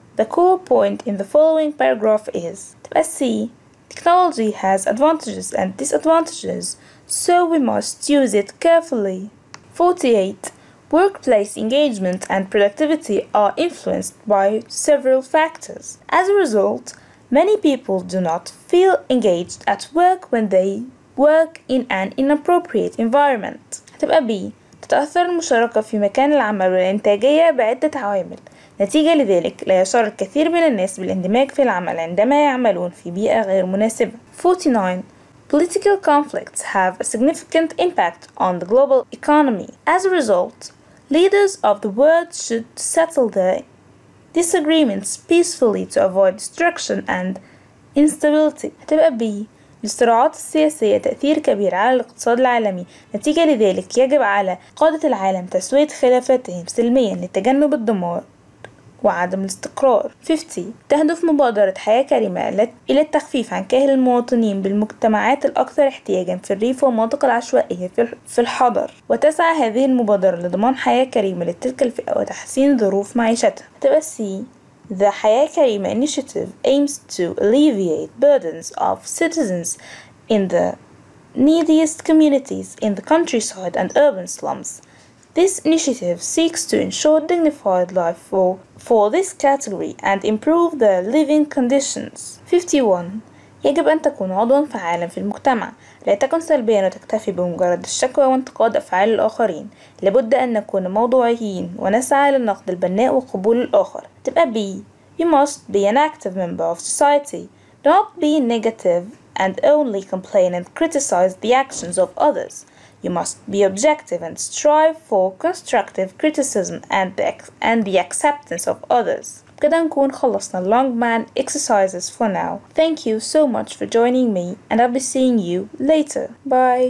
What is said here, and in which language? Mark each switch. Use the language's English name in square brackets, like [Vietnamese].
[English] The core point in the following paragraph is, let's see, technology has advantages and disadvantages, so we must use it carefully. 48. Workplace engagement and productivity are influenced by several factors. As a result, many people do not feel engaged at work when they work in an inappropriate environment. [Arabic] هتبقى B. تتأثر المشاركة في مكان العمل والإنتاجية بعدة عوامل. نتيجة لذلك لا يشعر الكثير من الناس بالاندماج في العمل عندما يعملون في بيئة غير مناسبة. [English] 49. Political conflicts have a significant impact on the global economy. As a result, leaders of the world should settle their disagreements peacefully to avoid destruction and instability. [Arabic] هتبقى B. الصراعات السياسية تأثير كبير على الاقتصاد العالمي. نتيجة لذلك يجب على قادة العالم تسوية خلافاتهم سلميا لتجنب الدمار وعدم الاستقرار. [English] 50. [Arabic] تهدف مبادرة حياة كريمة إلى التخفيف عن كاهل المواطنين بالمجتمعات الأكثر احتياجاً في الريف والمناطق العشوائية في الحضر، وتسعى هذه المبادرة لضمان حياة كريمة لتلك الفئة وتحسين ظروف معيشتها. [English] هتبقى C. The حياة كريمة initiative aims to alleviate burdens of citizens in the neediest communities in the countryside and urban slums. This initiative seeks to ensure dignified life for this category and improve their living conditions. 51. [Arabic] يجب أن تكون عضواً فعالاً في المجتمع. لا تكن سلبياً وتكتفي بمجرد الشكوى وانتقاد أفعال الآخرين. لابد أن نكون موضوعيين ونسعى للنقد البناء وقبول الآخر. تبقى B. [English] You must be an active member of society. Don't be negative and only complain and criticize the actions of others. You must be objective and strive for constructive criticism and the acceptance of others. [Arabic] بكده نكون خلصنا [English] Longman exercises for now. Thank you so much for joining me and I'll be seeing you later. Bye!